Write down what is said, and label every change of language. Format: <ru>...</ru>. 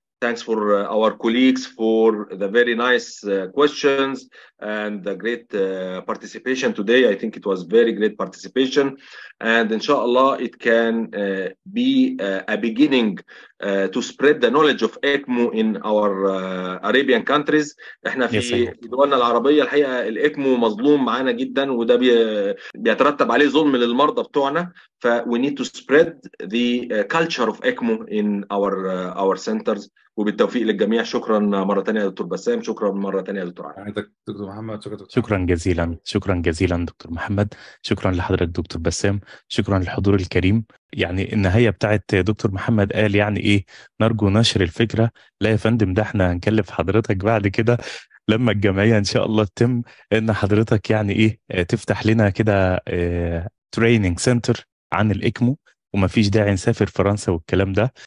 <en>Thanks for our colleagues for the very nice questions and the great participation today. I think it was very great participation. And inshallah, it can be a beginning to spread the knowledge of ECMO in our Arabian countries.</en> <ar>احنا في دولنا العربية الحقيقة الإكمو مظلوم معنا جدا وده بيترتب عليه ظلم للمرضى بتوعنا.</ar> <en>ف we need to spread the culture of ECMO in our centers.</en> <ar>وبالتوفيق للجميع. شكرا مرة تانية دكتور بسام. شكرا مرة تانية دكتور عامر. دكتور محمد شكرا. شكرا جزيلا. شكرا جزيلا دكتور محمد. شكرا لحضرتك دكتور بسام. شكرا للحضور الكريم. يعني النهاية بتاعت دكتور محمد قال يعني ايه, نرجو نشر الفكرة. لا يا فندم, ده احنا هنكلف حضرتك بعد كده لما الجمعية ان شاء الله تتم ان حضرتك يعني ايه تفتح لنا كده تريننج سنتر عن الإكمو, وما فيش داعي نسافر فرنسا والكلام ده.</ar>